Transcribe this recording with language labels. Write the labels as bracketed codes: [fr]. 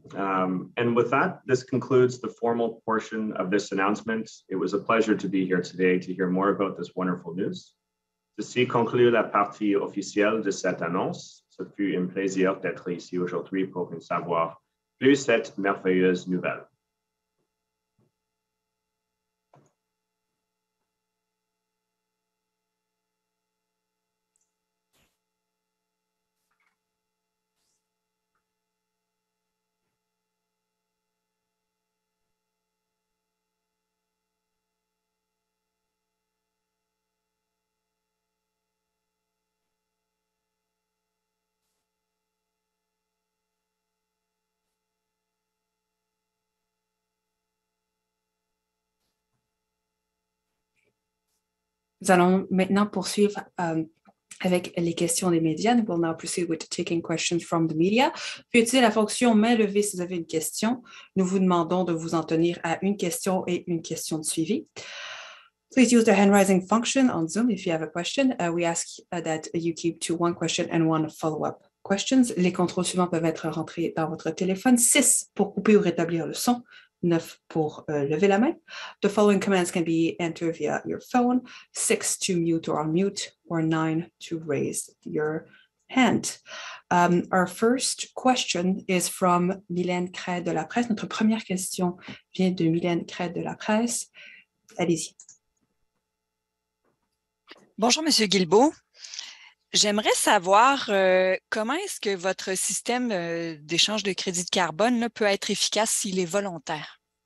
[en] And with that, this concludes the formal portion of this announcement. It was a pleasure to be here today to hear more about this wonderful news. [fr] Ceci conclut la partie officielle de cette annonce. Ce fut un plaisir d'être ici aujourd'hui pour en savoir plus cette merveilleuse nouvelle. Nous allons maintenant poursuivre avec les questions des médias. [en] We will now proceed with taking questions from the media. [fr] Puis utilisez la fonction main levée si vous avez une question. Nous vous demandons de vous en tenir à une question et une question de suivi. [en] Please use the hand raising function on Zoom if you have a question. We ask that you keep to one question and one follow-up questions. [fr] Les contrôles suivants peuvent être rentrés dans votre téléphone. 6 pour couper ou rétablir le son. 9 pour lever la main. [en] The following commands can be entered via your phone. 6 to mute or unmute, or 9 to raise your hand. Our first question is from Mylène Craie de la Presse. [fr] Notre première question vient de Mylène Craie de la Presse. Allez-y. Bonjour, Monsieur Guilbeault. J'aimerais savoir comment est-ce que votre système d'échange de crédit de carbone là, peut être efficace s'il est volontaire?